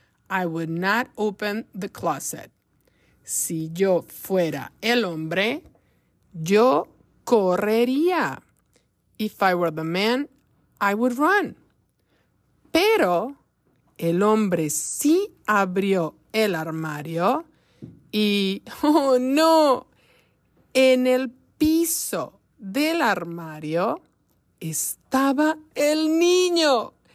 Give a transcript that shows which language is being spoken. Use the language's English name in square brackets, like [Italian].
[English] I would not open the closet. [Spanish] Si yo fuera el hombre, yo correría. [English] If I were the man, I would run. [Spanish] Pero el hombre sí abrió el armario y, oh no, en el piso del armario estaba el niño.